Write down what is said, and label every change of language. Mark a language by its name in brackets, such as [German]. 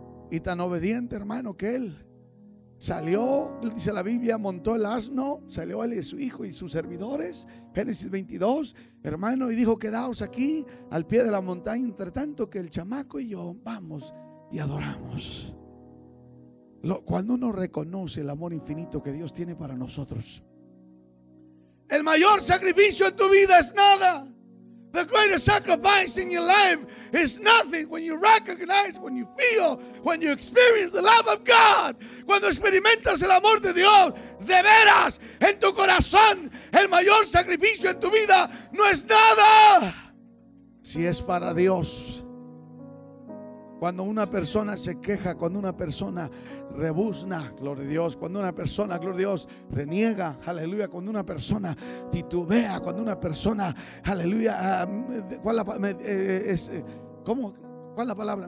[Spanish] Y tan obediente, hermano, que él salió, dice la Biblia, montó el asno, salió él y su hijo y sus servidores, Génesis 22, hermano, y dijo, quedaos aquí al pie de la montaña, entre tanto que el chamaco y yo vamos y adoramos. Cuando uno reconoce el amor infinito que Dios tiene para nosotros, el mayor sacrificio en tu vida es nada. [English] The greatest sacrifice in your life is nothing when you recognize, when you feel, when you experience the love of God. [Spanish] Cuando experimentas el amor de Dios, de veras, en tu corazón, el mayor sacrificio en tu vida no es nada. Si es para Dios. Cuando una persona se queja, cuando una persona rebuzna, gloria a Dios, cuando una persona, gloria a Dios, reniega, aleluya, cuando una persona titubea, cuando una persona, aleluya, ¿cuál la palabra?